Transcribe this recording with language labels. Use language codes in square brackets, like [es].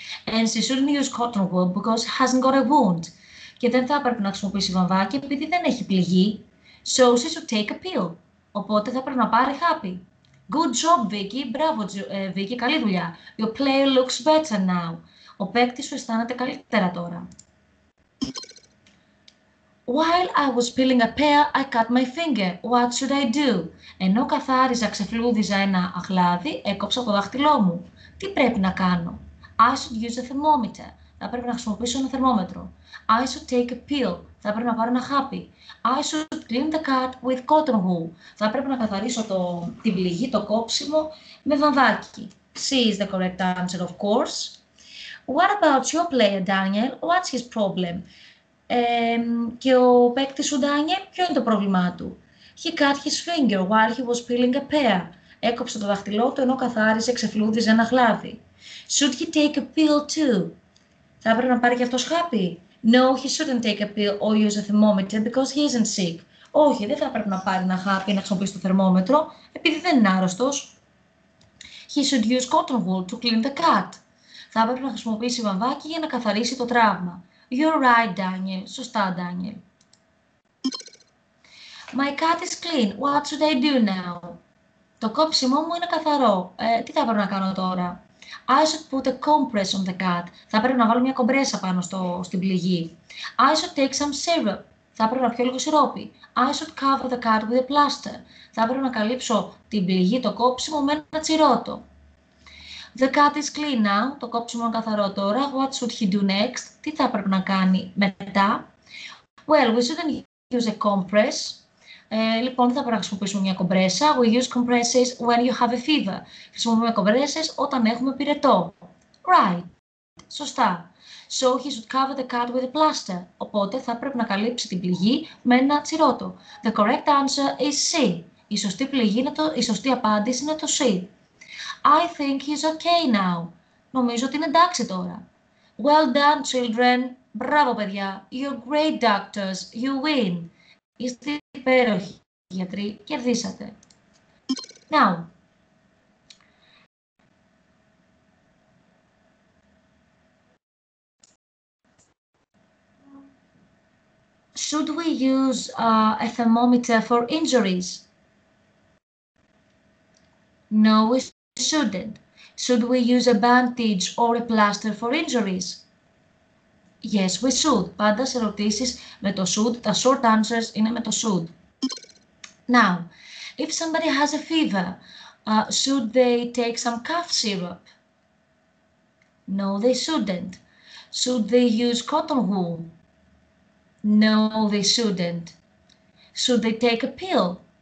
[en] And she shouldn't use cotton wool because she hasn't got a wound. [el] Και δεν θα έπρεπε να χρησιμοποιήσει βαμβάκι επειδή δεν έχει πληγή. [en] So she should take a pill. [el] Οπότε θα πρέπει να πάρει χάπι. [en] Good job, Vicky. [el] Μπράβο, Vicky. Καλή δουλειά. [en] Your player looks better now. [el] Ο παίκτης σου αισθάνεται καλύτερα τώρα. [en] While I was peeling a pear, I cut my finger. What should I do? [el] Ενώ καθάριζα, ξεφλούδιζα ένα αχλάδι, έκοψα το δάχτυλό μου. Τι πρέπει να κάνω? [en] I should use a thermometer. [el] Θα πρέπει να χρησιμοποιήσω ένα θερμόμετρο. [en] I should take a pill. [el] Θα πρέπει να πάρω ένα χάπι. [en] I should clean the cut with cotton wool. [el] Θα πρέπει να καθαρίσω την πληγή, το κόψιμο, με βαμβάκι. [en] C is the correct answer, of course. What about your player, Daniel? What's his problem? [el] Και ο παίκτης σου, Daniel, ποιο είναι το πρόβλημά του? [en] He cut his finger while he was peeling a pear. [el] Έκοψε το δαχτυλό του ενώ καθάριζε, ξεφλούδιζε ένα χλάδι. [en] Should he take a pill too? [el] Θα έπρεπε να πάρει και αυτός χάπι? [en] No, he shouldn't take a pill or use a thermometer because he isn't sick. [el] Όχι, δεν θα έπρεπε να πάρει ένα χάπι να χρησιμοποιήσει το θερμόμετρο, επειδή δεν είναι άρρωστος. [en] He should use cotton wool to clean the cut. [el] Θα έπρεπε να χρησιμοποιήσει βαμβάκι για να καθαρίσει το τραύμα. [en] You're right, Daniel. [el] Σωστά, Daniel. [en] My cut is clean. What should I do now? [el] Το κόψιμό μου είναι καθαρό. Τι θα έπρεπε να κάνω τώρα? [en] I should put a compress on the cut. [el] Θα πρέπει να βάλω μια κομπρέσα πάνω στην πληγή. [en] I should take some syrup. [el] Θα πρέπει να πιω λίγο σιρόπι. [en] I should cover the cut with a plaster. [el] Θα πρέπει να καλύψω την πληγή, το κόψιμο, με ένα τσιρότο. [en] The cut is clean now. [el] Το κόψιμο είναι καθαρό τώρα. [en] What should he do next? [el] Τι θα πρέπει να κάνει μετά? [en] Well, we shouldn't use a compress. [el] Λοιπόν, δεν θα πρέπει να χρησιμοποιήσουμε μια κομπρέσα. [en] We use compresses when you have a fever. [el] Χρησιμοποιούμε κομπρέσες όταν έχουμε πυρετό. [en] Right. [el] Σωστά. [en] So he should cover the cut with a plaster. [el] Οπότε θα πρέπει να καλύψει την πληγή με ένα τσιρότο. [en] The correct answer is C. [el] Η σωστή πληγή είναι η σωστή απάντηση είναι το C. [en] I think he's okay now. [el] Νομίζω ότι είναι εντάξει τώρα. [en] Well done, children. [el] Μπράβο, παιδιά. [en] You're great doctors. You win. [el] Είστε υπέροχοι, γιατροί. Κερδίσατε. [en] Now. Should we use a thermometer for injuries? No, we shouldn't. Should we use a bandage or a plaster for injuries? Yes, we should. [el] Πάντα σε ερωτήσεις με το should. Τα short answers είναι με το should. [en] Now, if somebody has a fever, should they take some cough syrup? No, they shouldn't. Should they use cotton wool? No, they shouldn't. Should they take a pill?